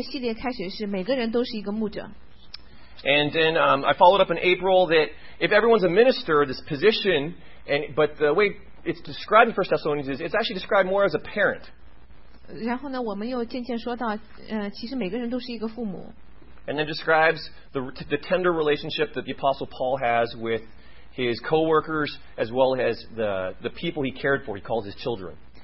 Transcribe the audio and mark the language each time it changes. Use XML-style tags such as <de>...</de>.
<zh>我已经两个月好像没有跟大家在这里讲到了。我们这个系列开始是每个人都是一个牧者。</zh> <en>And then I followed up in April that if everyone's a minister, this position, and but the way it's described in 1 Thessalonians is it's actually described more as a parent.</en> <zh>然后呢，我们又渐渐说到，其实每个人都是一个父母。</zh> <en>And then describes the tender relationship that the Apostle Paul has with his co-workers as well as the people he cared for, he calls his children.</en>